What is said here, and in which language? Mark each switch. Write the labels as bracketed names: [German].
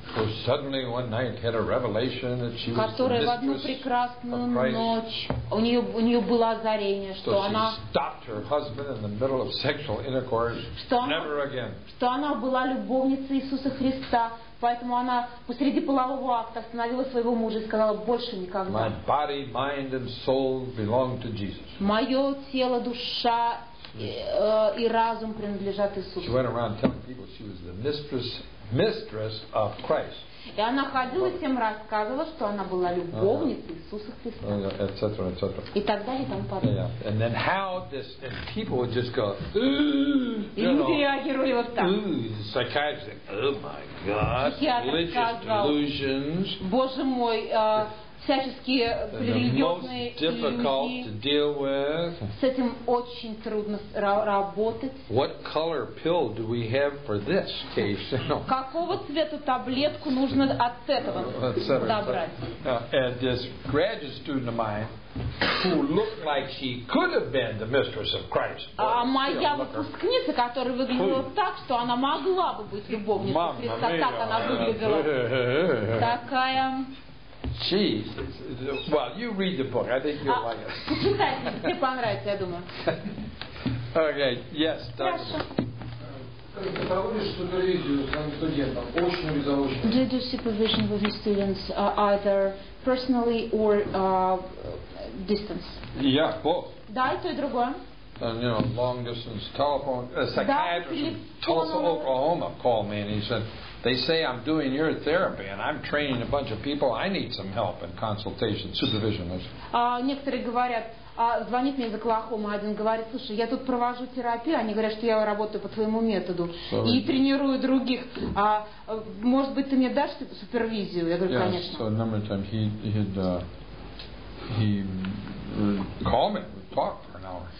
[English] Who suddenly one night had a revelation that she was the mistress of Christ. [Russian] У нее было озарение, что она. [English] So she stopped her husband in the middle of sexual intercourse. Never again. [Russian] Что она была любовницей Иисуса Христа. Поэтому она посреди полового акта остановила своего мужа и сказала: больше никогда. [English] My body, mind, and soul belong to Jesus. [Russian] Мое тело, душа и разум принадлежат Иисусу. [English] She went around telling people she was the mistress of Christ. [Russian] И она ходила всем рассказывала, что она была любовницей Иисуса Христа. [English] Etc. Etc. [Russian] И так далее, и тому подобное. [English] Yeah. And then how this and people would just go. [Russian] И люди реагировали вот так. [English] Psychiatrist. Oh my God. Religious delusions. [Russian] Боже мой, всяческие религиозные люди. С этим очень трудно работать. [English] What color pill do we have for this case? [Russian] Какого цвета таблетку нужно от этого добрать? [English] And this graduate student of mine, who looked like she could have been the mistress of Christ. [Russian] А моя выпускница, которая выглядела так, что она могла бы быть любовницей Христа, так она выглядела. Такая. [English] Jeez, well, you read the book. I think you'll like it. [Russian] Почитайте, тебе понравится, я думаю. [English] Okay, yes, Doctor. Do you do supervision with your students either personally or distance? Yeah, both. Да, и то, и другое. And, you know, long distance telephone. A psychiatrist in Tulsa, Oklahoma called me and he said, they say I'm doing your therapy and I'm training a bunch of people. I need some help and consultation, supervision. [Russian] Некоторые говорят, звонит мне из Оклахомы, один говорит, слушай, я тут провожу терапию, они говорят, что я работаю по твоему методу и тренирую других. Может быть, ты мне дашь супервизию? Я говорю, [English] yes, [Russian] конечно. [English] So a number of times he called me, we talked for an hour.